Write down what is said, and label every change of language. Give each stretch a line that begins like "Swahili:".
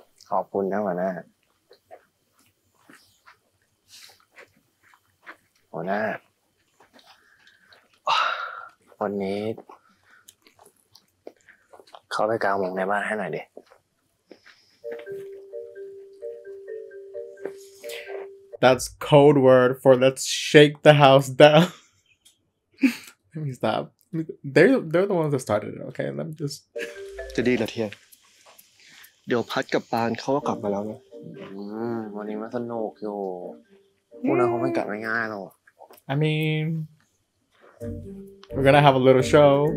Thai: ขอบคุณนะหัวหน้าหัวหน้าวันนี้เขาไปกลางวงในบ้านให้หน่อยดิ
English: That's code word for let's shake the house down. Let me stop. They're the ones that started it. Okay, let me just.
Thai: จะดีละเทียนเดี๋ยวพัดกับปานเขาก็กลับมาแล้วนะ วันนี้มันสนุกอยู่พวกนั้นเขาไม่กลับง่ายหรอก
English: I mean, we're gonna have a little show.